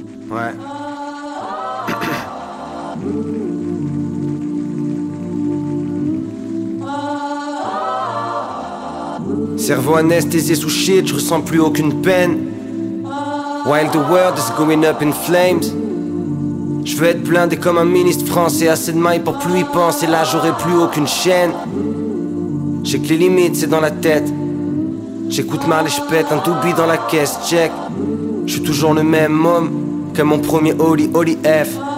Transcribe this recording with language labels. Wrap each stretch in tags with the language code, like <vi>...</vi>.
<fr>Ouais. Cerveau anesthésié sous shit, je ressens plus aucune peine.</fr> <en>While the world is going up in flames.</en> <fr>Je veux être blindé comme un ministre français. Assez de mailles pour plus y penser, là j'aurai plus aucune chaîne. J'ai que les limites, c'est dans la tête. J'écoute mal et je pète un doobie dans la caisse, check. Je suis toujours le même homme que mon premier holy holy F.</fr>